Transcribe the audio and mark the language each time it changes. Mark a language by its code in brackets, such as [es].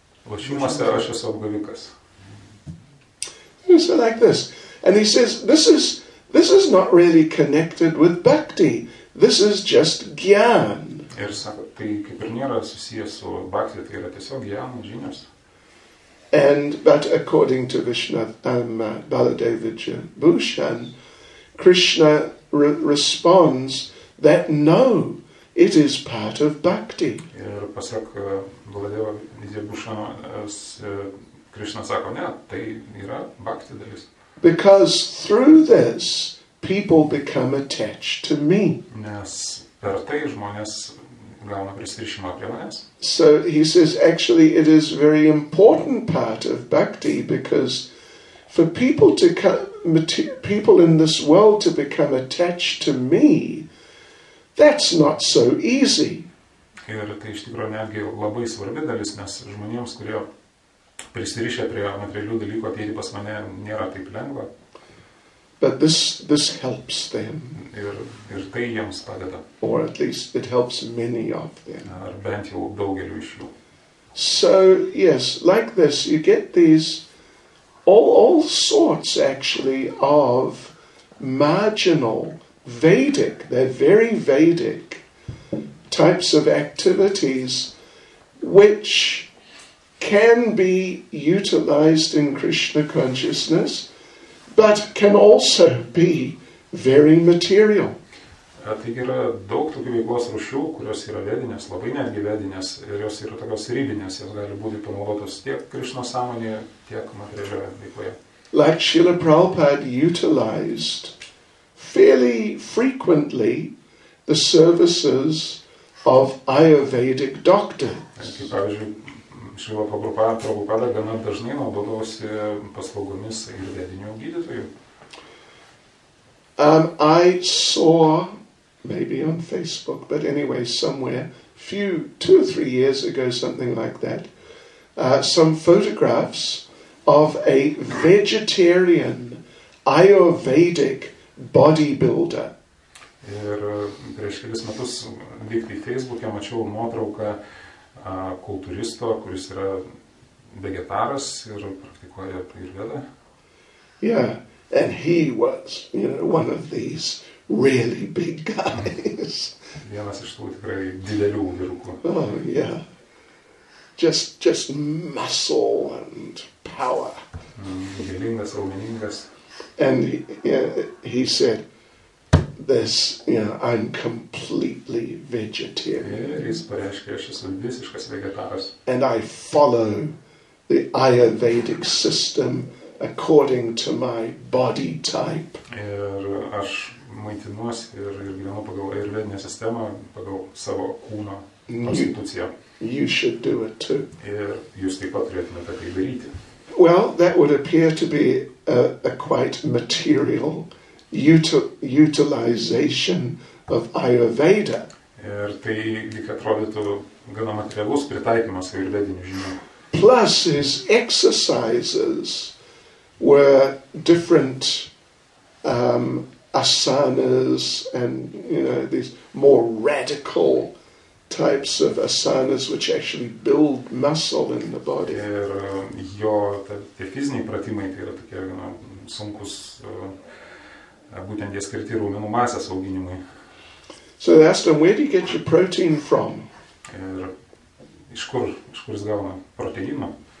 [lt] Lošimas, aš esu apgavikas. [en] So like this. And he says, this is not really connected with bhakti. This is just gyan. [lt] Ir sako, tai kaip ir nėra susijęs su bhakti, tai yra tiesiog gyan žinios. [en] But according to Baladeva Vijayabhushan, Krishna responds that no, it is part of bhakti. [lt] Ir pasak Baladeva Vijayabhushan, Krishna sako, ne, tai yra bhakti dalis. [en] Because through this, people become attached to me. [lt] Nes per tai žmonės gauna prisirišimą prie manęs. [en] So he says, actually, it is a very important part of bhakti, because for people to come, people in this world to become attached to me, that's not so easy. [lt] Ir tai iš tikrųjų netgi labai svarbi dalis, nes žmonėms, kurie prisirišę prie materialių dalykų, ateiti pas mane nėra taip lengva. [en] But this helps them. [lt] Ir tai jiems padeda. [en] Or at least it helps many of them. [lt] Ar bent jau daugeliu iš jų. [en] So, yes, like this, you get these all sorts, actually, of marginal, Vedic, they're very Vedic, types of activities which can be utilized in Krishna consciousness, but can also be very material. [lt] Taigi yra daug tokių veiklos rūšių, kurios yra vedinės, labai netgi vedinės, ir jos yra tokios ribinės, jos gali būti panaudotos tiek Krishna sąmonėje, tiek materialioje veikloje. [en] Like Srila Prabhupada utilized fairly frequently the services of Ayurvedic doctors. [lt] Kaip pavyzdžiui, Srila Prabhupada gana dažnai naudodavosi paslaugomis ir vedinių gydytojų. [en] I saw, maybe on Facebook, but anyway, somewhere, two or three years ago, something like that, some photographs of a vegetarian Ayurvedic bodybuilder. [lt] Ir prieš kelis metus vykti į Facebook'e mačiau nuotrauką kultūristo, kuris yra vegetaras ir praktikuoja ajurvedą. [en] Yeah, and he was, you know, one of these really big guys. [lt] Vienas iš tų tikrai didelių vyrukų. [en] Oh, yeah. Just muscle and power. [lt] Galingas, raumeningas. [en] And he said, this, you know, I'm completely vegetarian. [lt] Jis pareiškė, aš esu visiškas vegetaras. [en] And I follow the Ayurvedic system according to my body type. [lt] Ir aš maitinuosi ir gyvenu pagal ajurvedinę sistemą, pagal savo kūno konstituciją. [en] You should do it too. [lt] Ir jūs taip pat turėtumėte tai daryti. [en] Well, that would appear to be a quite material utilization of Ayurveda. [lt] Ir tai lyg atrodytų gana materialus pritaikymas ajurvedinių žinių. [en] Plus his exercises were different asanas and, you know, these more radical types of asanas which actually build muscle in the body. [lt] Ir jo tie fiziniai pratimai tai yra tokie gana sunkus, būtent jie skirti raumenų masės auginimui. [en] So they asked him, where do you get your protein from? [lt] Ir iš kur jis gauna proteiną?